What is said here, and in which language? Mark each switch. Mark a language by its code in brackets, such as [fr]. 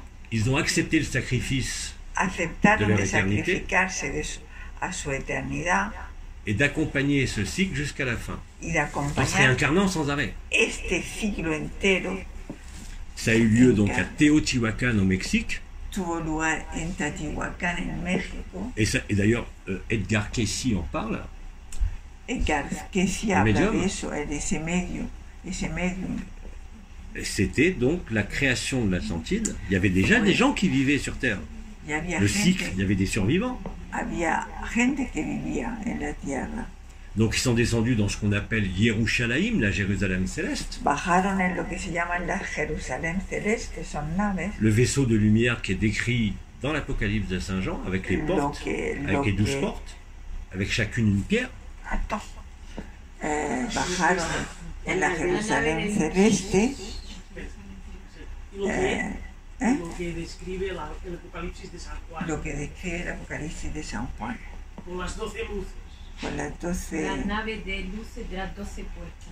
[fr] Ils ont accepté le sacrifice [es] aceptaron [fr] de leur éternité [es] sacrificarse de su, a su eternidad, [fr] et d'accompagner ce cycle jusqu'à la fin. [es] Y de [fr] en se réincarnant sans arrêt. [es] Este ciclo entero. [fr] Ça a eu lieu donc à Teotihuacan au Mexique. [es] Tuvo lugar en Teotihuacan, en México. [fr] Et d'ailleurs, Edgar Cayce en parle. [es] Edgar Cayce habla de eso, de ese medio, ese medium. [fr] C'était donc la création de l'Atlantide. Il y avait déjà des gens qui vivaient sur Terre. [es] Y había [fr] le cycle, il y avait des survivants. [es] Había gente que vivía en la tierra. [fr] Donc ils sont descendus dans ce qu'on appelle Yerushalayim, la Jérusalem céleste. [es] Bajaron en lo que se llaman la Jerusalén celeste, que son naves. [fr] Le vaisseau de lumière qui est décrit dans l'Apocalypse de Saint Jean avec les portes, avec les 12 portes, avec chacune une pierre. Attends. [es] Bajaron en la Jerusalén celeste. Lo que describe el Apocalipsis de San Juan. Con las 12 luces. Con las 12. La nave de luces de las 12 puertas.